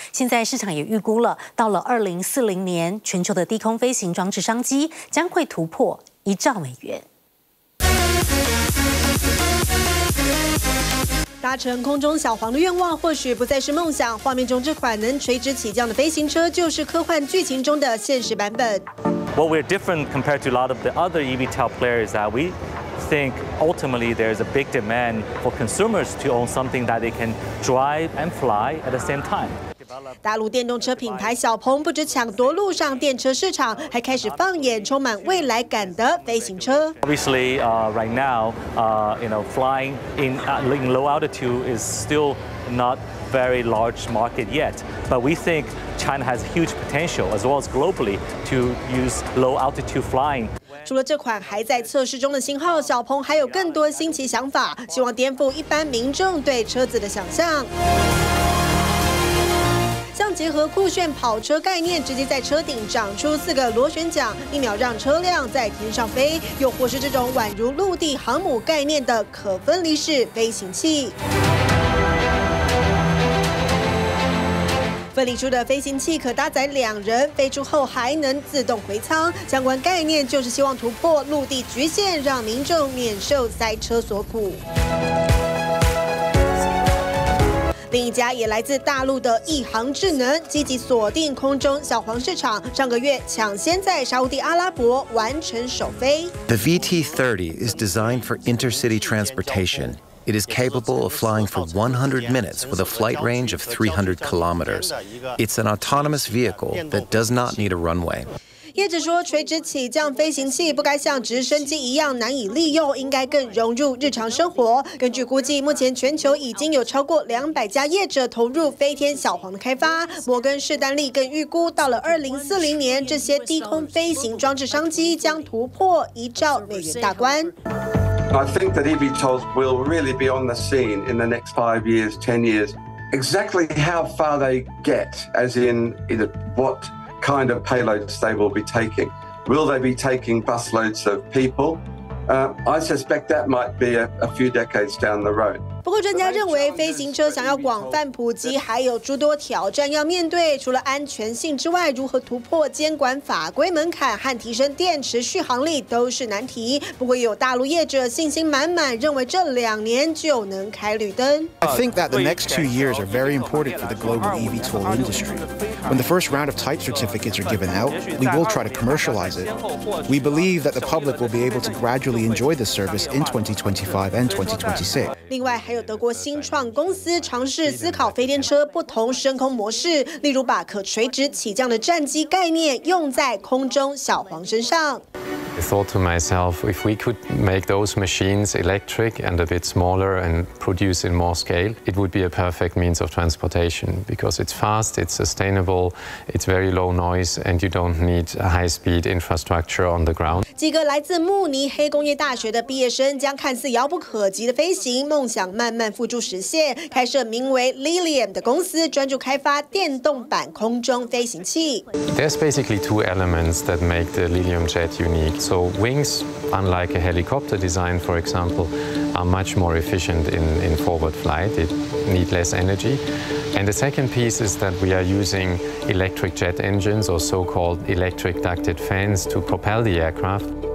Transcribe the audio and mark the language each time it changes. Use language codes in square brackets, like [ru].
[zh] 现在市场也预估了，到了2040年，全球的低空飞行装置商机将会突破1兆美元。搭乘空中小黄的愿望或许不再是梦想，画面中这款能垂直起降的飞行车就是科幻剧情中的现实版本。 [en] What we're different compared to a lot of the other eVTOL players is that we think ultimately there's a big demand for consumers to own something that they can drive and fly at the same time. [zh] 大陆电动车品牌小鹏不止抢夺路上电车市场，还开始放眼充满未来感的飞行车。 [en] Obviously, right now, you know, flying in low altitude is still not very large market yet. But we think China has huge potential, as well as globally, to use low altitude flying. [zh] 除了这款还在测试中的型号，小鹏还有更多新奇想法，希望颠覆一般民众对车子的想象。像结合酷炫跑车概念，直接在车顶长出4个螺旋桨，一秒让车辆在天上飞；又或是这种宛如陆地航母概念的可分离式飞行器。分离出的飞行器可搭载2人，飞出后还能自动回舱。相关概念就是希望突破陆地局限，让民众免受塞车所苦。另一家也来自大陆的亿航智能积极锁定空中小黄市场，上个月抢先在沙烏地阿拉伯完成首飞。 [en] The VT-30 is designed for intercity transportation. It is capable of flying for 100 minutes with a flight range of 300 kilometers. It's an autonomous vehicle that does not need a runway. [zh] 业者说，垂直起降飞行器不该像直升机一样难以利用，应该更融入日常生活。根据估计，目前全球已经有超过200家业者投入飞天小黄的开发。摩根士丹利更预估，到了2040年，这些低空飞行装置商机将突破1兆美元大关。 [en] I think that eVTOLs will really be on the scene in the next 5 years, 10 years. Exactly how far they get, as in what. Kind of payloads they will be taking. Will they be taking busloads of people? I suspect that might be a few decades down the road. [zh] 不过专家认为飞行车想要广泛普及还有诸多挑战要面对，除了安全性之外，如何突破监管法规门槛和提升电池续航力都是难题。不过有大陆业者信心满满，认为这两年就能开绿灯。 [en] I think that the next 2 years are very important for the global eVTOL industry. When the first round of type certificates are given out, we will try to commercialize it. We believe that the public will be able to gradually enjoy the service in 2025 and 2026. [zh] 另外还有德国新创公司尝试思考飞天车不同升空模式，例如把可垂直起降的战机概念用在空中小黄身上。 [en] I thought to myself, if we could make those machines electric and a bit smaller and produce in more scale, it would be a perfect means of transportation because it's fast, it's sustainable, it's very low noise, and you don't need a high-speed infrastructure on the ground. [zh] 几个来自慕尼黑工业大学的毕业生将看似遥不可及的飞行梦想。慢慢付诸实现，开设名为 Lilium 的公司，专注开发电动版空中飞行器。 [en] There's basically two elements that make the Lilium jet unique. So wings, unlike a helicopter design, for example, are much more efficient in forward flight. It need less energy. And the second piece is that we are using electric jet engines or so-called electric ducted fans to propel the aircraft.